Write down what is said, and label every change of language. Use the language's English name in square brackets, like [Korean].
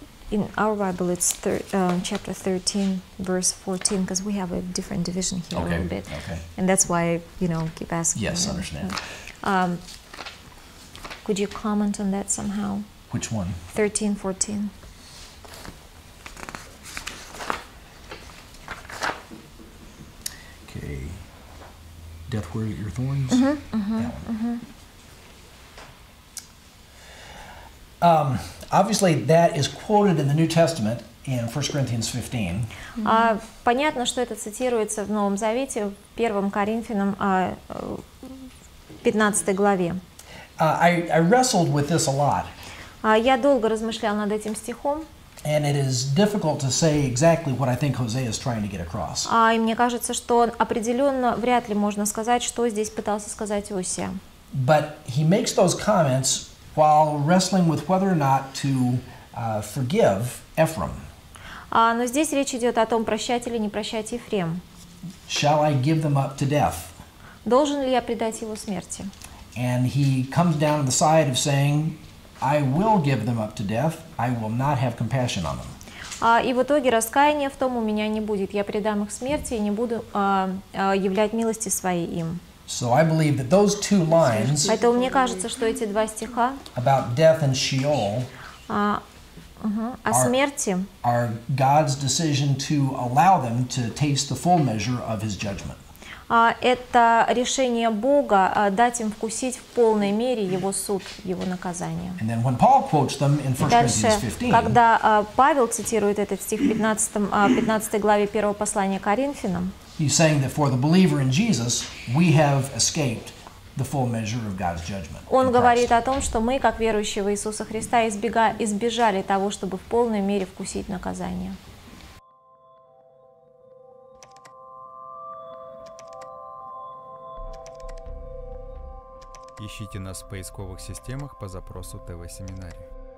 [English] In our Bible, it's chapter 13, verse 14, because we have a different division here okay, a little bit. Okay. And that's why, you know, keep asking. Yes, I understand. Could you comment on that somehow? Which one? 13, 14. Okay. Death, where are your thorns? Mm-hmm, mm-hmm, that one. Mm-hmm. Obviously, that is quoted in the New Testament in 1 Corinthians 15. [Russian] Понятно, что это цитируется в Новом Завете, в 1 Коринфянам 15 главе. [English] I wrestled with this a lot. [Russian] Я долго размышлял над этим стихом. [English] And it is difficult to say exactly what I think Hosea is trying to get across. [Russian] И мне кажется, что определенно вряд ли можно сказать, что здесь пытался сказать Осия. [English] But he makes those comments while wrestling with whether or not to forgive Ephraim. [Russian] Но здесь речь идет о том, прощать или не прощать Ефрем. [English] Shall I give them up to death? [Russian] Должен ли я предать его смерти? [English] And he comes down on the side of saying, I will give them up to death, I will not have compassion on them. [Russian] И в итоге раскаяния в том у меня не будет. Я предам их смерти и не буду являть милости своей им. [English] So I believe that those two lines [Russian] Поэтому мне кажется, что эти два стиха [English] about death and Sheol [Russian] о смерти [English] are God's decision to allow them to taste the full measure of his judgment. [Russian] Это решение Бога дать им вкусить в полной мере его суд, его наказание. [English] And then when Paul quotes them in 1 Corinthians 15, [Russian] когда Павел цитирует этот стих в 15 главе 1 послания Коринфянам, [English] he's saying that for the believer in Jesus, we have escaped the full measure of God's judgment. [Russian] Он говорит о том, что мы, как верующие в Иисуса Христа, избежали того, чтобы в полной мере вкусить наказание. Ищите нас в поисковых системах по запросу ТВ-семинария.